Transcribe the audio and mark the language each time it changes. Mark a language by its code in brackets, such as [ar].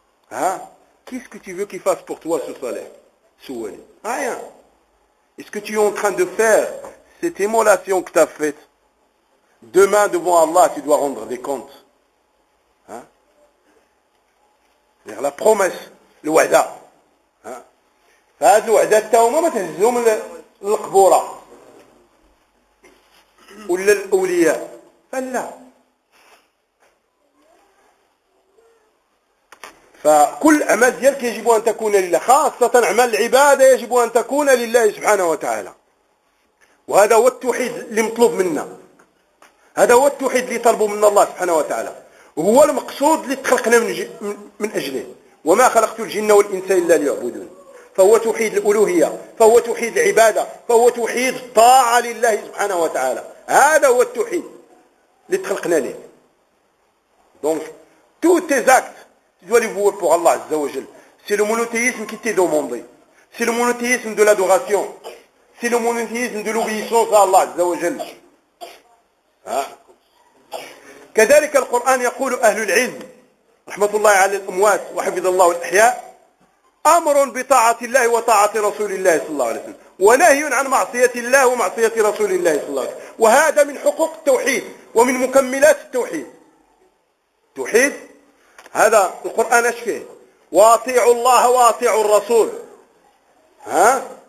[fr] Hein? Qu'est-ce que tu veux qu'il fasse pour toi, ce Saleh, ce Wali? Rien. Et ce que tu es en train de faire, cette émolation que tu as faite, demain, devant Allah, tu dois rendre des comptes. Hein? C'est-à-dire la promesse, le wada. [ar] فهذه الوعدات تاهما ما تهزهم للقبورة ولا الأولياء، فلا. فكل أعمال ديالك يجب أن تكون لله، خاصة أعمال العبادة يجب أن تكون لله سبحانه وتعالى. وهذا هو التوحيد اللي مطلوب منا، هذا هو التوحيد اللي طلبه منا الله سبحانه وتعالى، وهو المقصود اللي تخلقنا من أجله. وما خلقت الجن والإنس إلا ليعبدون، فهو توحيد الألوهية، فهو توحيد العبادة، فهو توحيد طاعة لله سبحانه وتعالى. هذا هو التوحيد اللي تخلقنا ليه. [fr] دونك tous tes actes doivent être pour Allah عز وجل. C'est le monothéisme qui t'est demandé. C'est le monothéisme de l'adoration. C'est le monothéisme de l'obéissance à Allah, Azza wa Jal. [ar] كذلك القرآن يقول أهل العلم رحمة الله على الأموات وحفظ الله الأحياء أمر بطاعة الله وطاعة رسول الله صلى الله عليه وسلم ونهي عن معصية الله ومعصية رسول الله صلى الله عليه وسلم وهذا من حقوق التوحيد ومن مكملات التوحيد التوحيد هذا القرآن أشفيه واطيعوا الله واطيعوا الرسول ها